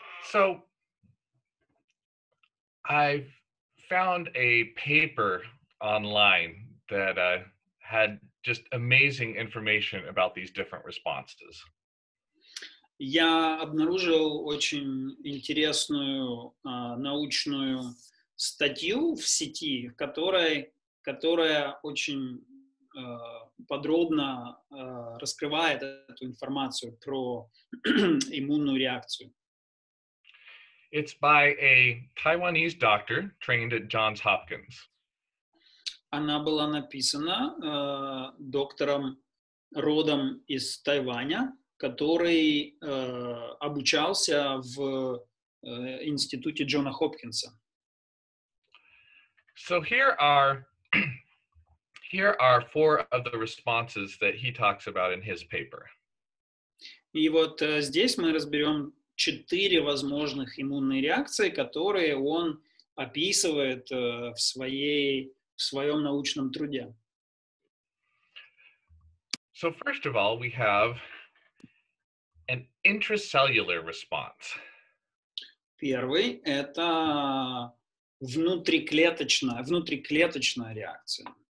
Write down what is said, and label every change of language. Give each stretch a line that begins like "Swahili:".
English: So, I found a paper online that had just amazing information about these different responses.
Russian: Я обнаружил очень интересную научную статью в сети, которая очень подробно раскрывает эту информацию про иммунную реакцию.
English: It's by a Taiwanese doctor trained at Johns Hopkins.
Russian: Она была написана доктором, родом из Тайваня, который обучался в институте Джона Хопкинса.
English: So here are four of the responses that he talks about in his paper.
Russian: И вот здесь мы разберем четыре возможных иммунные реакции, которые он описывает в своем научном труде.
English: So first of all, we have an intracellular response.
Russian: Первый — это внутриклеточная реакция.